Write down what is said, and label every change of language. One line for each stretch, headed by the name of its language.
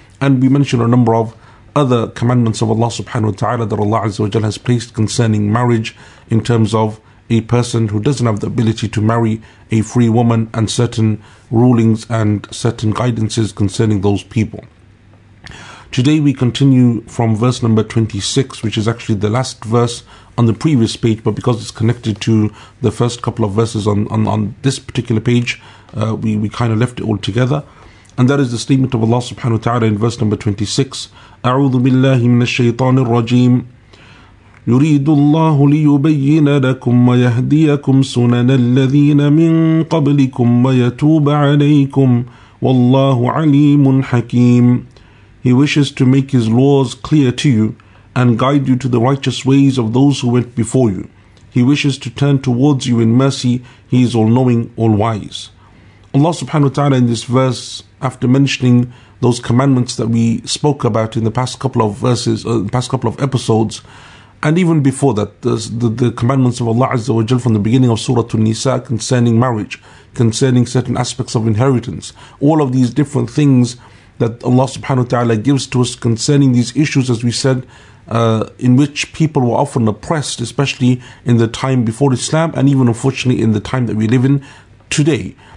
English: And we mentioned a number of other commandments of Allah subhanahu wa ta'ala that Allah azza wa jalla has placed concerning marriage, in terms of a person who doesn't have the ability to marry a free woman, and certain rulings and certain guidances concerning those people. Today we continue from verse number 26, which is actually the last verse on the previous page, but because it's connected to the first couple of verses on this particular page, we kind of left it all together. And that is the statement of Allah subhanahu wa ta'ala in verse number 26.
Arabic: أعوذ بالله من الشيطان الرجيم. يريد الله ليبين لكم ويهديكم سنن الذين من قبلكم ويتوب عليكم والله عليم حكيم.
English: He wishes to make his laws clear to you and guide you to the righteous ways of those who went before you. He wishes to turn towards you in mercy. He is all-knowing, all-wise. Allah subhanahu wa ta'ala in this verse, after mentioning those commandments that we spoke about in the past couple of verses, the past couple of episodes, and even before that, the commandments of Allah Azza wa Jal from the beginning of Surah An-Nisa concerning marriage, concerning certain aspects of inheritance, all of these different things that Allah subhanahu wa ta'ala gives to us concerning these issues, as we said, in which people were often oppressed, especially in the time before Islam, and even unfortunately in the time that we live in today.